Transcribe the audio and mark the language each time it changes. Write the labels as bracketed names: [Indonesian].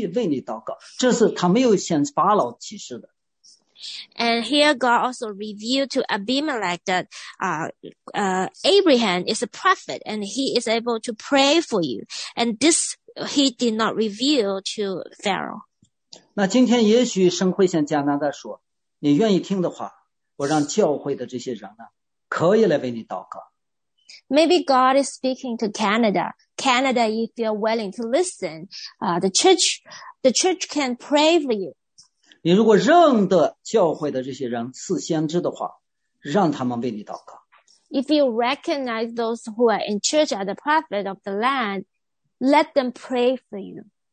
[Chinese] 神告诉亚比米勒，亚巴拉罕是一个先知，他可以为你祷告，这是他没有向法老启示的。 [English] And here God also revealed to Abimelech that Abraham is a prophet and he is able to pray for you. And this he did not reveal to Pharaoh. [Chinese] 那今天也许神会向加拿大说，你愿意听的话，我让教会的这些人呢，可以来为你祷告。 [English] Maybe God is speaking to Canada. Canada, if you're willing to listen, the church can pray for you. [Chinese] 你如果认得教会的这些人是先知的话，让他们为你祷告。 [English] If you recognize those who are in church as the prophet of the land, let them pray for you.